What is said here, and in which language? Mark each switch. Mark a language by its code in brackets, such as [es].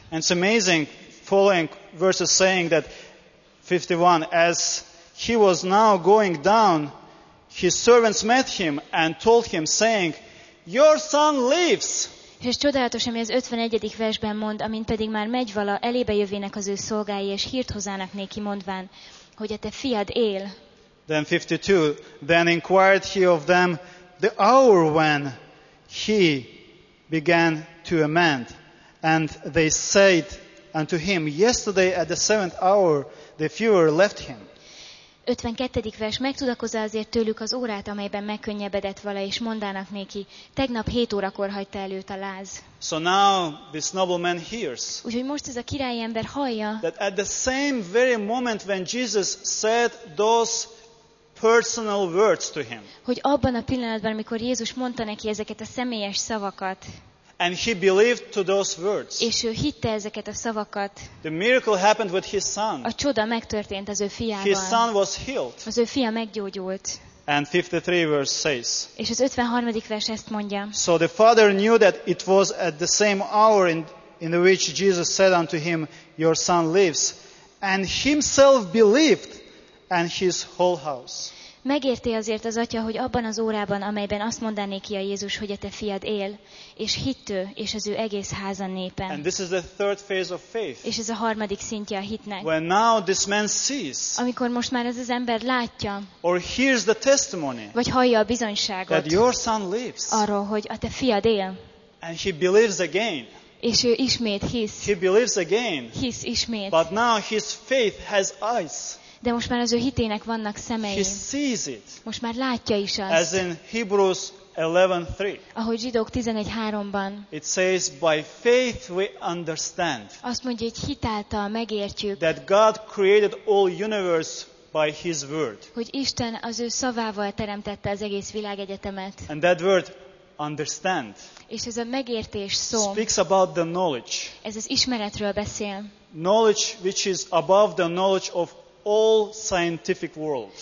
[en] And it's amazing following verses saying that 51, as he was now going down, his servants met him and told him, saying, your son lives. [hu] És csodálatos, ami az 51. versben mond, amint pedig már megy vala, elébe jövének az ő szolgái, és hírt hozzának néki mondván, hogy a te fiad él. [en] Then 52, then inquired he of them the hour when he began to amend. And they said unto him, yesterday at the seventh hour, the fewer left him. [hu] 52. vers, megtudakozza azért tőlük az órát, amelyben megkönnyebbedett vala, és mondának néki, tegnap 7 órakor hagyta előtt a láz. [en] So now this nobleman hears. [hu] Úgyhogy most ez a királyi ember hallja. [en] That at the same very moment when Jesus said those personal words to him. [hu] Hogy abban a pillanatban, amikor Jézus mondta neki ezeket a személyes szavakat. [en] And he believed to those words. [hu] És ő hitte ezeket a szavakat. [en] The miracle happened with his son. [hu] A csoda megtörtént az ő fiával. [en] His son was healed. [hu] Az ő fia meggyógyult. [en] And 53 verse says. [hu] És az 53. vers ezt mondja. [en] So the father knew that it was at the same hour in which Jesus said unto him, your son lives, and himself believed, and his whole house. [hu] Megérti azért az atya, hogy abban az órában, amelyben azt mondanék ki a Jézus, hogy a te fiad él, és hittő, és az ő egész háza népe. [en] And this is the third phase of faith. [hu] És ez a harmadik szintje a hitnek. [en] When now this man sees, [hu] amikor most már ez az ember látja, [en] or hears the testimony, [hu] vagy hallja a bizonyságot, [en] that your son lives, [hu] arról, hogy a te fiad él, [en] and he believes again. [hu] És ő ismét hisz. [en] He believes again. [hu] Hisz ismét. [en] But now his faith has eyes. [hu] De most már az ő hitének vannak szemei. [en] He sees it. [hu] Most már látja is azt. [en] As in Hebrews 11:3. [hu] Ahogy Zsidók 11:3-ban. [en] It says by faith we understand. [hu] Azt mondja, hogy hitáltal megértjük. [en] That God created all universe by his word. [hu] Hogy Isten az ő szavával teremtette az egész világegyetemet. [en] And that word understand. [hu] És ez a megértés szó. [en] Speaks about the knowledge. [hu] Ez az ismeretről beszél. [en] Knowledge which is above the knowledge of all scientific world.